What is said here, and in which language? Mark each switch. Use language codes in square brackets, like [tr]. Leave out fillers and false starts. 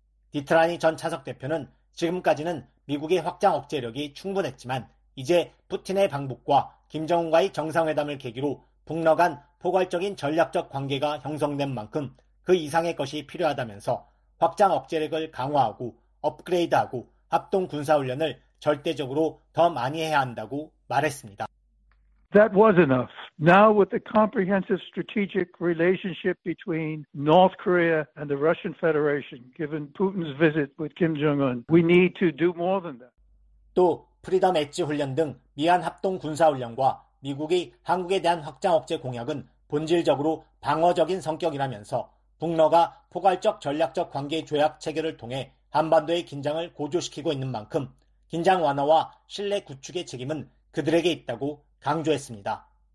[ko] 디트라니 전 차석 대표는 지금까지는 미국의 확장 억제력이 충분했지만 이제 푸틴의 방북과 김정은과의 정상회담을 계기로 북러 간 포괄적인 전략적 관계가 형성된 만큼 그 이상의 것이 필요하다면서 확장 억제력을 강화하고 업그레이드하고 합동 군사훈련을 절대적으로 더 많이 해야 한다고 말했습니다. [en] That was enough. Now with the comprehensive strategic relationship between North Korea and the Russian Federation, given Putin's visit with Kim Jong-un, we need to do more than that. [ko] 또 프리덤 엣지 훈련 등 미한 합동 군사훈련과 미국이 한국에 대한 확장 억제 공약은 본질적으로 방어적인 성격이라면서 북러가 포괄적 전략적 관계 조약 체결을 통해 한반도의 긴장을 고조시키고 있는 만큼 긴장 완화와 신뢰 구축의 책임은 그들에게 있다고 강조했습니다.